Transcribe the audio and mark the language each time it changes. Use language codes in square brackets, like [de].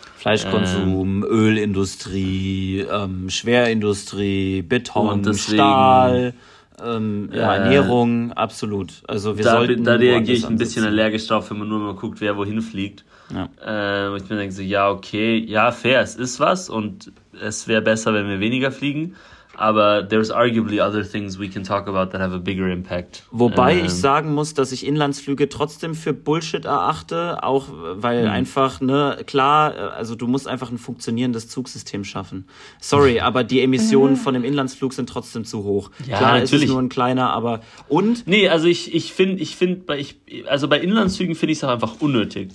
[de] Ölindustrie, Schwerindustrie, Beton, Stahl, Ernährung, absolut. Also wir sollten. Da reagiere ich ein bisschen allergisch drauf, wenn man nur mal guckt, wer wohin fliegt. Ja. Ich bin dann so, ja, okay, ja, fair, es ist was und es wäre besser, wenn wir weniger fliegen. Aber [en] there's arguably other things we can talk about that have a bigger impact. [de] Wobei ich sagen muss, dass ich Inlandsflüge trotzdem für Bullshit erachte, auch weil einfach, ne, klar, also du musst einfach ein funktionierendes Zugsystem schaffen. Sorry, aber die Emissionen von dem Inlandsflug sind trotzdem zu hoch. Ja, klar, natürlich. Ist es nur ein kleiner, aber und? Nee, also ich finde bei Inlandsflügen finde ich es auch einfach unnötig.